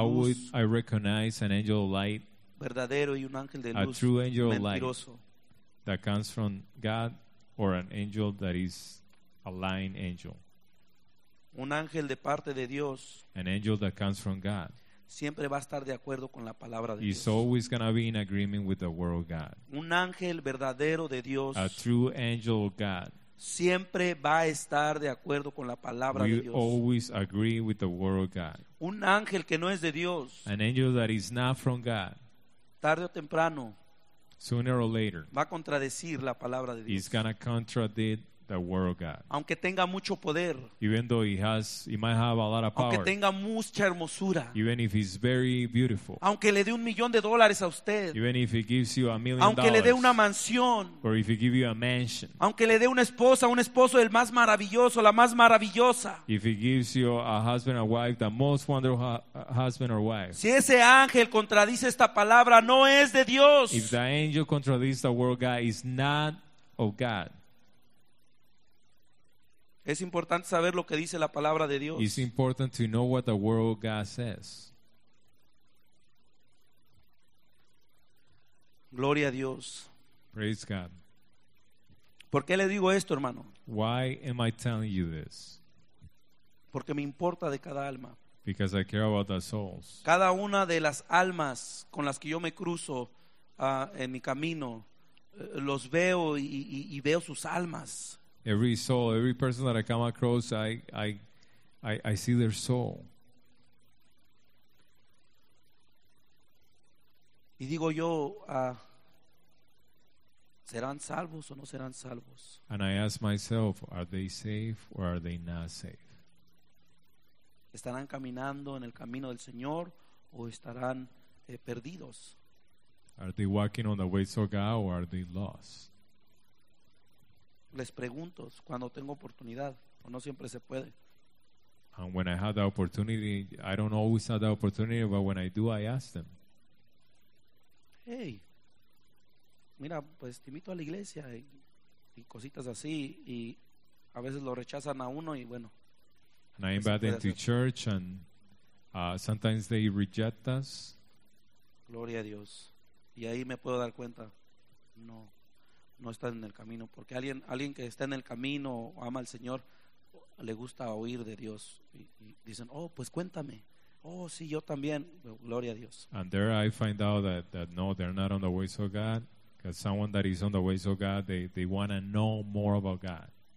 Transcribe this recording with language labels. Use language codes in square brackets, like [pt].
[en] How would I recognize an angel of light? [es] Verdadero y un ángel de luz. [en] A true angel of light. [es] Mentiroso. [en] That comes from God. Or an angel that is a lying angel. [es] Un ángel de parte de Dios. [en] An angel that comes from God. [es] Siempre va a estar de acuerdo con la palabra de [en] He's He's always going to be in agreement with the word of God. [es] Un ángel verdadero de Dios. [en] A true angel of God. [es] Siempre va a estar de acuerdo con la palabra [en] we [es] de Dios. [en] Always agree with the word of God. [es] Un ángel que no es de Dios. [en] An angel that is not from God. [es] Tarde o temprano. [en] Sooner or later, [es] va a contradecir la palabra de Dios. [en] He's gonna contradict the word of God. [es] Aunque tenga mucho poder, [en] even though he might have a lot of [es] aunque [en] power. [es] Aunque tenga mucha hermosura, [en] even if he's very beautiful. [es] Aunque le dé $1,000,000 a usted, [en] even if he gives you $1,000,000. [es] Aunque le dé una mansión, [en] or if he gives you a mansion. [es] Aunque le dé una esposa, un esposo el más maravilloso, la más maravillosa. [en] If he gives you a husband or wife, the most wonderful husband or wife. [es] Si ese ángel contradice esta palabra, no es de Dios. [en] If the angel contradicts the word of God, it's not of God. [es] Es importante saber lo que dice la palabra de Dios. [en] It's important to know what the word of God says. [es] Gloria a Dios. [en] Praise God. [es] ¿Por qué le digo esto, hermano? [en] Why am I telling you this? [es] Porque me importa de cada alma. [en] Because I care about the souls. [es] Cada una de las almas con las que yo me cruzo en mi camino, los veo y veo sus almas. [en] Every soul, every person that I come across, I see their soul. [es] Y digo yo, ¿serán salvos o no serán salvos? [en] And I ask myself, are they safe or are they not safe? [es] ¿Estarán caminando en el camino del Señor o estarán perdidos? [en] Are they walking on the ways of God or are they lost? [es] Les pregunto cuando tengo oportunidad, o no siempre se puede. [en] And when I have the opportunity, I don't always have the opportunity, but when I do, I ask them. [es] Hey, mira, pues te invito a la iglesia y cositas así, y a veces lo rechazan a uno y bueno. [en] And I invite them to church, and sometimes they reject us. [es] Gloria a Dios. Y ahí me puedo dar cuenta, no. No están en el camino, porque alguien que está en el camino o ama al Señor le gusta oír de Dios y dicen, oh, pues cuéntame, oh, sí, yo también, gloria a Dios. [en] And there I find out that no, they're not on the ways of God, because someone that is on the ways of God, they want to know more about God.